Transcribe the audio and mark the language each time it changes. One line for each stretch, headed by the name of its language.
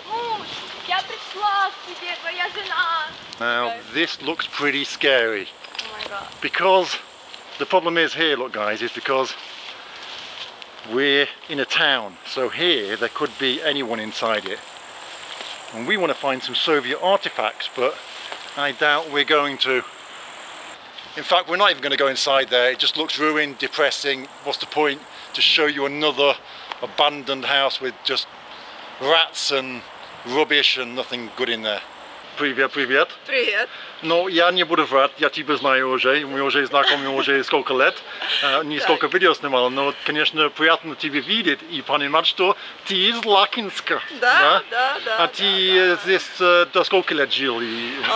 Russian: Муж, я пришла к тебе, твоя жена.
English: Now, this looks pretty scary. Oh my God. Because the problem is here, look guys, is because we're in a town, so here there could be anyone inside it. And we want to find some Soviet artifacts, but I doubt we're going to. In fact, we're not even going to go inside there. It just looks ruined, depressing. What's the point to show you another abandoned house with just rats and rubbish and nothing good in there?
Russian: Привет, привет. Привет. Но я не буду врать, я тебя знаю уже, мы уже знакомы уже сколько лет, не сколько видео снимал, но, конечно, приятно тебя видеть и понимать, что ты из Лакинска. Да, да, да. Да, а да, ты да. Здесь до сколько лет жил? И...